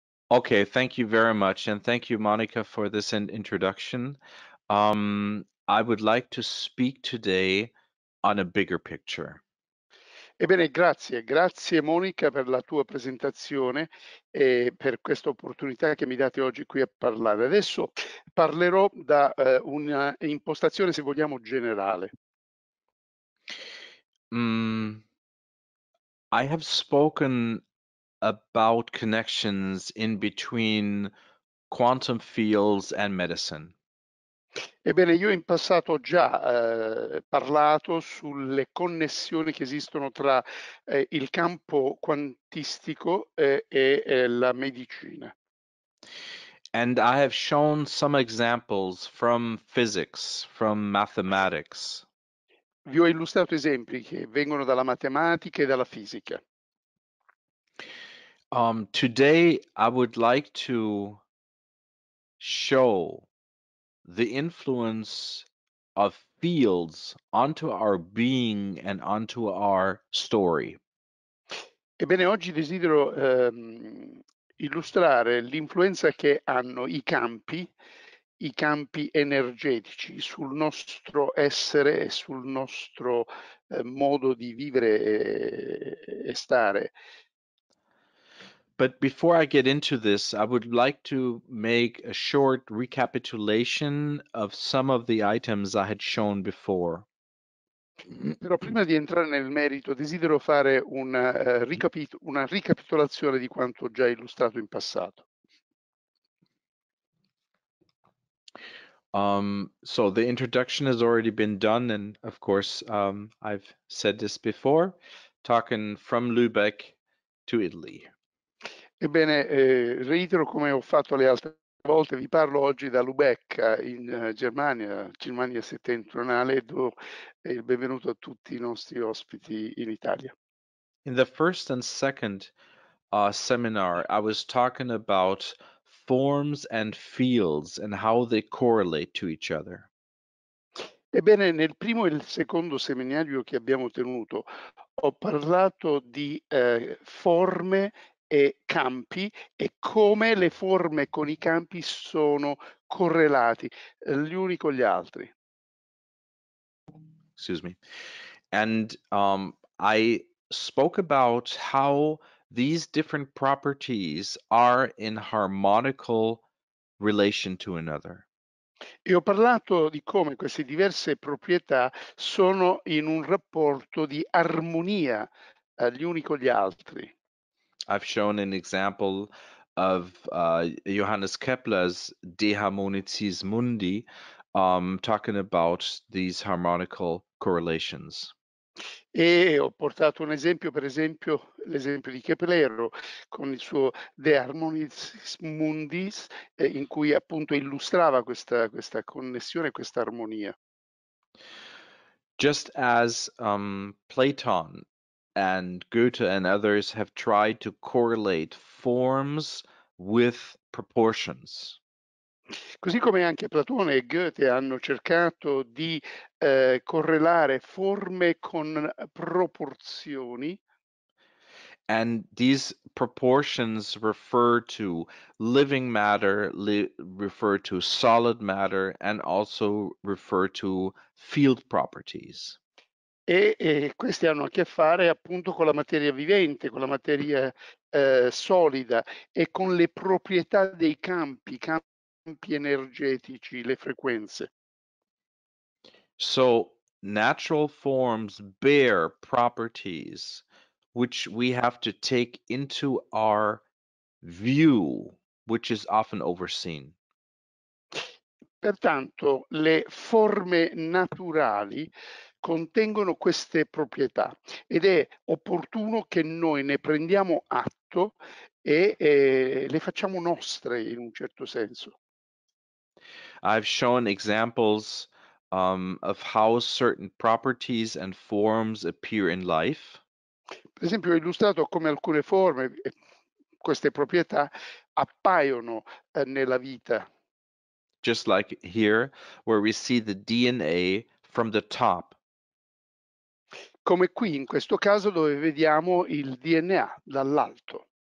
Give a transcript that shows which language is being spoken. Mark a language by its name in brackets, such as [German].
[English] Okay, thank you very much. And thank you, Monica, for this introduction. I would like to speak today on a bigger picture. [Italian] Ebbene, grazie. Grazie, Monica, per la tua presentazione e per questa opportunità che mi date oggi qui a parlare. Adesso parlerò da una impostazione, se vogliamo, generale. [English] I have spoken about connections in between quantum fields and medicine. [Italian] Ebbene, io in passato ho già parlato sulle connessioni che esistono tra il campo quantistico e la medicina. [English] And I have shown some examples from physics, from mathematics. [Italian] Vi ho illustrato esempi che vengono dalla matematica e dalla fisica. [English] Today I would like to show the influence of fields onto our being and onto our story. [Italian] Ebbene, oggi desidero illustrare l'influenza che hanno i campi energetici sul nostro essere e sul nostro modo di vivere e stare. [English] But before I get into this, I would like to make a short recapitulation of some of the items I had shown before. [Italian] Però prima di entrare nel merito, desidero fare una ricapitolazione di quanto ho già illustrato in passato. [English] So the introduction has already been done, and of course, I've said this before, talking from Lübeck to Italy. [Italian] Ebbene, reitero come ho fatto le altre volte, vi parlo oggi da Lubecca in Germania settentrionale, e do il benvenuto a tutti i nostri ospiti in Italia. [English] In the first and second seminar, I was talking about forms and fields and how they correlate to each other. [Italian] Ebbene, nel primo e il secondo seminario che abbiamo tenuto, ho parlato di forme e campi e come le forme con i campi sono correlati gli uni con gli altri. [English] Excuse me. And I spoke about how these different properties are in harmonical relation to another. [Italian] E ho parlato di come queste diverse proprietà sono in un rapporto di armonia gli uni con gli altri. [English] I've shown an example of Johannes Kepler's De Harmonicis Mundi, talking about these harmonical correlations. [Italian] E ho portato un esempio, per esempio, l'esempio di Kepler con il suo De Harmonicis Mundis, in cui appunto illustrava questa connessione, questa armonia. [English] Just as Platon and Goethe and others have tried to correlate forms with proportions. [Italian] Così come anche Platone e Goethe hanno cercato di correlare forme con proporzioni. [English] And these proportions refer to living matter, refer to solid matter, and also refer to field properties. [Italian] E queste hanno a che fare appunto con la materia vivente, con la materia solida e con le proprietà dei campi energetici, le frequenze. [English] So natural forms bear properties which we have to take into our view, which is often overseen. [Italian] Pertanto le forme naturali contengono queste proprietà ed è opportuno che noi ne prendiamo atto e le facciamo nostre in un certo senso. [English] I've shown examples of how certain properties and forms appear in life. [Italian] Per esempio, ho illustrato come alcune forme, queste proprietà, appaiono nella vita. [English] Just like here, where we see the DNA from the top. [Italian] Come qui, in questo caso, dove vediamo il DNA dall'alto.